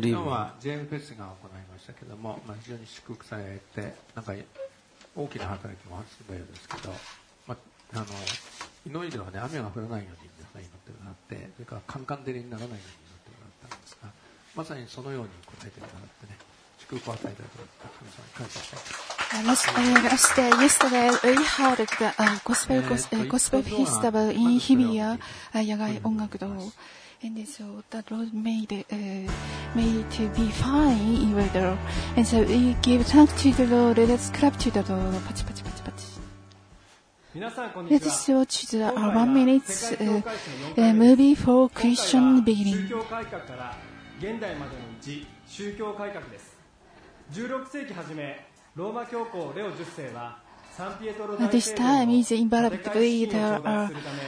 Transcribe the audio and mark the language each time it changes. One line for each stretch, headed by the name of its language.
Japanese: 昨日はジェームフェスが行いましたけども、まあ、非常に祝福されて、なんか大きな働きもあったようですけど、まあ、あの祈りではね、雨が降らないように皆さん祈ってもらって、それからカンカン照りにならないように祈ってもらったんですが、まさにそのように答えてもらってね、祝福を与えたいと思います。皆さん感謝して。
English: Yesterday we held the gospel festival in Himeya,
Japanese: 野外音楽堂
English: and so the Lord made to be fine in weather. And so we give thanks to the Lord. Let's clap to the Lord.
Japanese: パチパチパチパチ。
English: Let's watch the 1 minute movie for Christian beginning.
Japanese: 宗教改革から現代までの一宗教改革です。 16世紀初め。ローマ教皇レオ10世はサンピエトロ大聖堂の建て替え資金を調達するため